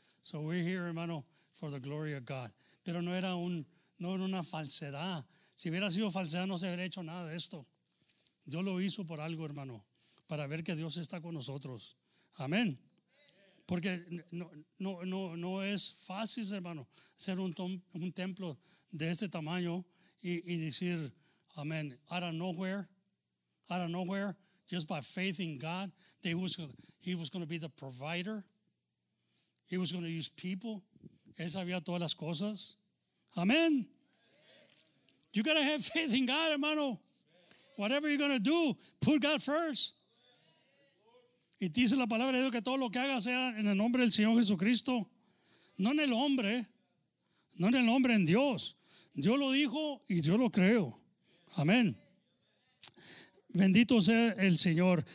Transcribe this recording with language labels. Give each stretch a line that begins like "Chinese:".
English: So we're here, hermano, for the glory of God.
Spanish: Pero no era una falsedad. Si hubiera sido falsedad, no se hubiera hecho nada de esto. Dios lo hizo por algo, hermano, para ver que Dios está con nosotros. Amén. Porque no es fácil, hermano, ser un templo de este tamaño y decir, amén,
English: out of nowhere, just by faith in God, that he was going to be the provider. He was going to use people.
Spanish: Él sabía todas las cosas.
English: Amén. You got to have faith in God, hermano. Whatever you're going to do, put God first.
Spanish: Y dice la palabra de Dios que todo lo que haga sea en el nombre del Señor Jesucristo. No en el hombre. No en el hombre, en Dios. Dios lo dijo y Dios lo creo. Amén. Bendito sea el Señor.